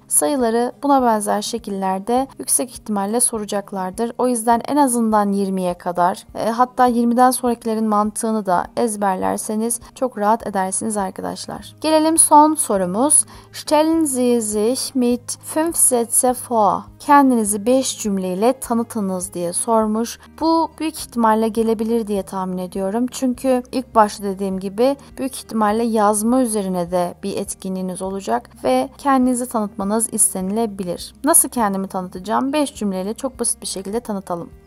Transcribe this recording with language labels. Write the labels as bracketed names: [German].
[Turkish] Sayıları buna benzer şekillerde yüksek ihtimalle soracaklardır. O yüzden en azından 20'ye kadar, hatta 20'den sonrakilerin mantığını da ezberlerseniz çok rahat edersiniz arkadaşlar. Gelelim son sorumuz. [German] Stellen Sie sich mit 5 Sätze vor. [Turkish] Kendinizi 5 cümleyle tanıtınız diye sormuş. Bu büyük ihtimalle gelebilir diye tahmin ediyorum. Çünkü ilk başta dediğim gibi büyük ihtimalle yazma üzerine de bir etkinliğiniz olacak ve kendinizi tanıtmanız istenilebilir. Nasıl kendimi tanıtacağım? 5 cümleyle çok basit bir şekilde tanıtalım.